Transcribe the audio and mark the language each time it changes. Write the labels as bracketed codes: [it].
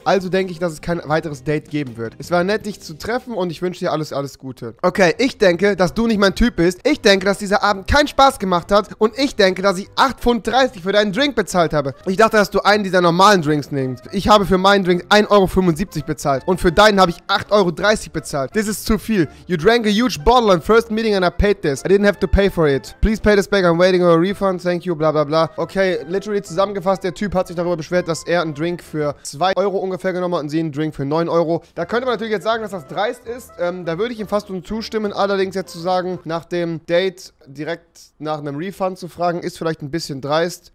[de] Also denke ich, dass es kein weiteres Date geben wird. Es war nett, dich zu treffen und ich wünsche dir alles, alles Gute. Okay, ich denke, dass du nicht mein Typ bist. Ich denke, dass dieser Abend keinen Spaß gemacht hat. Und ich denke, dass ich 8,30 Pfund für deinen Drink bezahlt habe. Ich dachte, dass du einen dieser normalen Drinks nimmst. Ich habe für meinen Drink 1,75 Euro bezahlt. Und für deinen habe ich 8,30 Euro bezahlt. Das ist zu viel. [en] You drank a huge bottle on first meeting and I paid this. I didn't have to pay for it. Please pay this back. I'm waiting for a refund. Thank you. Bla bla bla. [de] Okay, literally zusammengefasst, der Typ hat sich darüber beschwert, dass er einen Drink für 2 Euro ungefähr genommen hat und sie einen Drink für 9 Euro. Da könnte man natürlich jetzt sagen, dass das dreist ist. Da würde ich ihm fast nur zustimmen. Allerdings jetzt zu sagen, nach dem Date direkt nach einem Refund zu fragen, ist vielleicht ein bisschen dreist.